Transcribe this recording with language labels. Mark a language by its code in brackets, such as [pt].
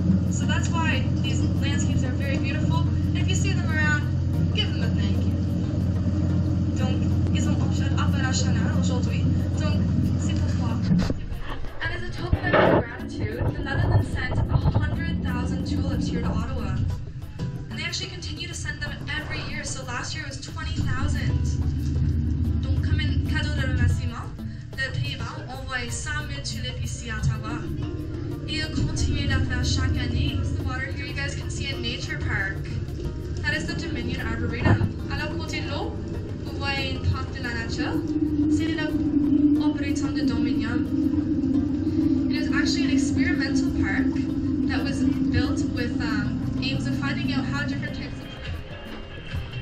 [en] So that's why these landscapes are very beautiful. And if you see them around, give them a thank you. [fr] Donc, ils ont offert à la chaîne aujourd'hui. Donc, c'est pour toi. [en] And as a token of gratitude, the Netherlands sent 100,000 tulips here to Ottawa. And they actually continue to send them every year. So last year it was 20,000. [fr] Donc, comme un cadeau de remerciement, les Pays-Bas ont envoyé 5,000 tulips ici à Ottawa. Et ils continuent d'affaire chaque année. [en] It's the water here you guys can see in Nature Park. That is the Dominion Arboretum. [fr] À la côté de l'eau, vous voyez un parc de la nature. C'est l'Arboretum de Dominion. [en] It is actually an experimental park that was built with aims of finding out how different types of...